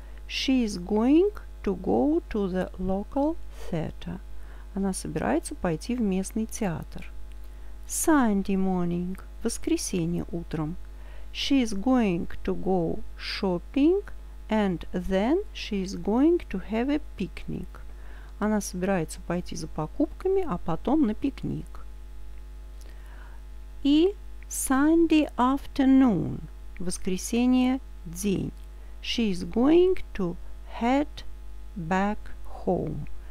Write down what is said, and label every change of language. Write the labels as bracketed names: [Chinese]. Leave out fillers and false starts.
[English] She is going to go to the local theater. [Russian] Она собирается пойти в местный театр. [English] Sunday morning. [Russian] Воскресенье утром. [English] She is going to go shopping and then she is going to have a picnic. [Russian] Она собирается пойти за покупками, а потом на пикник. И [English] Sunday afternoon. [Russian] Воскресенье день. [English] She is going to head back home.